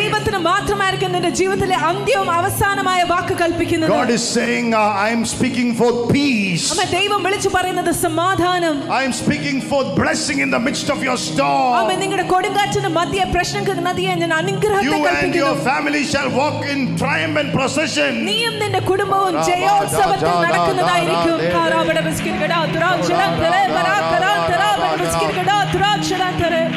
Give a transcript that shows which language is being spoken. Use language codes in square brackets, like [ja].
[ml] ദൈവത്തിന് മാത്രമായിരിക്കും നിന്റെ ജീവിതത്തിലെ അന്ത്യവും അവസാനമായ വാക്ക് കൽപ്പിക്കുന്നത്. [en] God is saying I am speaking for peace. [ml] അമ്മേ ദൈവം വിളിച്ചു പറയുന്നത് സമാധാനം. [en] I am speaking for blessing in the midst of your storm. [ml] അമ്മേ നിങ്ങളുടെ കൊടുങ്കാറ്റിന് മധ്യേ പ്രശ്നങ്ങൾക്ക് മധ്യേ ഞാൻ അനുഗ്രഹത്തെ കൽപ്പിക്കുന്നു. [en] You and your family shall walk in triumph and procession. [ml] നീയും നിന്റെ കുടുംബവും ജയോത്സവത്തിൽ നടക്കുന്നതായിരിക്കും. കാരാവട ബിസ്കിൻ കട ദുരാചല തര പരാ തര തര ബിസ്കിൻ കട ദുരാചല തര.